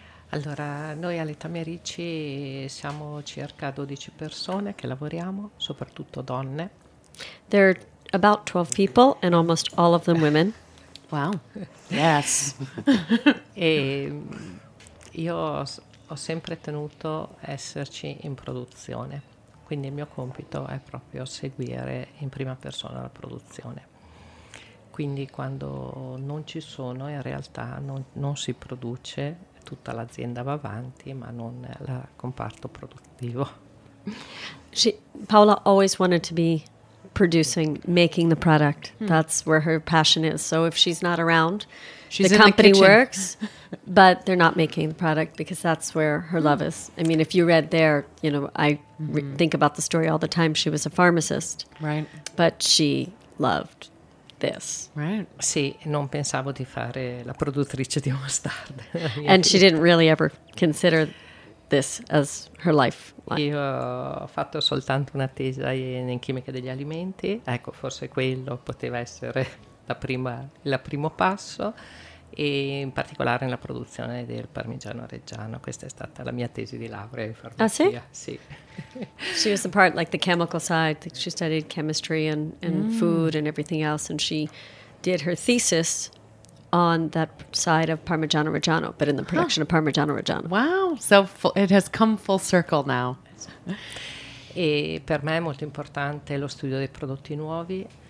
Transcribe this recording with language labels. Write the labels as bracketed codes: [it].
[it] Allora, noi alle Tamerici siamo circa 12 persone che lavoriamo, soprattutto donne. [en] There are about 12 people and almost all of them women. Wow. Yes. [it] E io ho sempre tenuto esserci in produzione, quindi il mio compito è proprio seguire in prima persona la produzione. Quindi quando non ci sono, in realtà non si produce, tutta l'azienda va avanti, ma non il comparto produttivo. [en] Paola always wanted to be producing, making the product. Mm. That's where her passion is. So if she's not around, she's the company the works, but they're not making the product because that's where her love is. I mean, if you read there, you know, I think about the story all the time. She was a pharmacist. Right. But she loved this. Right. [it] Sì, non pensavo di fare la produttrice di mostarda. [en] And she didn't really ever consider this as her life. [it] Io ho fatto soltanto una tesi in chimica degli alimenti. Ecco, forse quello poteva essere il primo passo, e in particolare nella produzione del parmigiano reggiano. Questa è stata la mia tesi di laurea in farmacia. Ah, sì? Sì. [en] She was the part like the chemical side. She studied chemistry and food and everything else, and she did her thesis on that side of Parmigiano Reggiano, but in the production of Parmigiano Reggiano. Wow, so it has come full circle now. [it] E per me è molto importante lo studio dei prodotti nuovi.